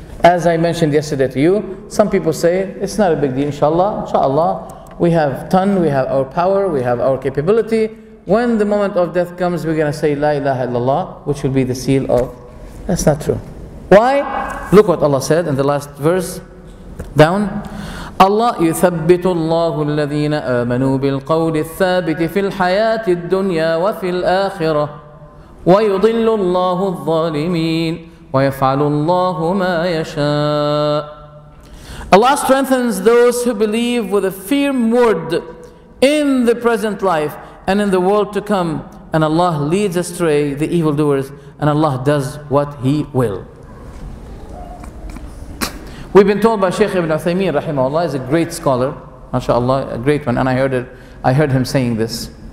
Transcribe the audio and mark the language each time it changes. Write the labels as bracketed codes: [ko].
[en] As I mentioned yesterday to you, some people say, it's not a big deal, inshallah, inshallah. We have ton, we have our power, we have our capability. When the moment of death comes, we're going to say, La ilaha illallah, which will be the seal of... That's not true. Why? Look what Allah said in the last verse. Down. [ar] Allah يثبت الله الذين آمنوا بالقول الثابت في الحياة الدنيا وفي الآخرة ويضل الله الظالمين ويفعل الله ما يشاء. [en] Allah strengthens those who believe with a firm word in the present life and in the world to come, and Allah leads astray the evildoers, and Allah does what He will. We've been told by Sheikh Ibn Uthaymeen, rahimahullah, is a great scholar, mashallah, a great one, and I heard him saying this.